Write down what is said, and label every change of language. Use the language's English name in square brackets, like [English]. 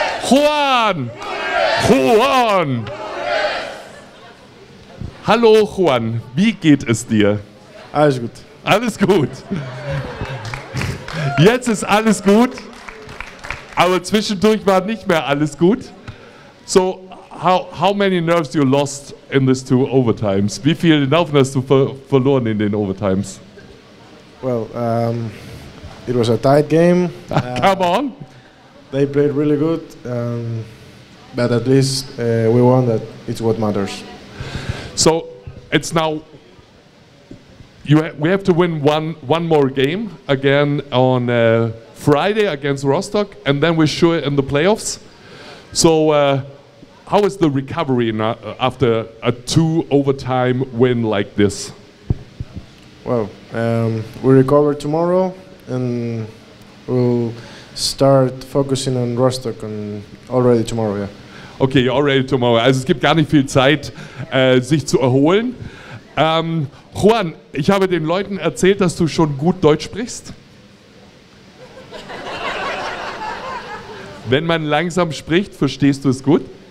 [German] Juan. Juan. Hallo Juan, wie geht es dir? Alles gut. Alles gut. Jetzt ist alles gut, aber zwischendurch war nicht mehr alles gut. [English] So, how many nerves you lost in these two overtimes? [German] Wie viel Nerven hast du verloren in den Overtimes? [English] Well, it was a tight game. Come on. They played really good, but at least we won, that it's what matters. So, it's now, we have to win one more game again on Friday against Rostock, and then we're sure in the playoffs. So, how is the recovery after a two overtime win like this? Well, we recover tomorrow and we'll start focusing on Rostock and already tomorrow, yeah. Okay, already tomorrow. [German] Also es gibt gar nicht viel Zeit, sich zu erholen. Juan, ich habe den Leuten erzählt, dass du schon gut Deutsch sprichst. Wenn man langsam spricht, verstehst du es gut?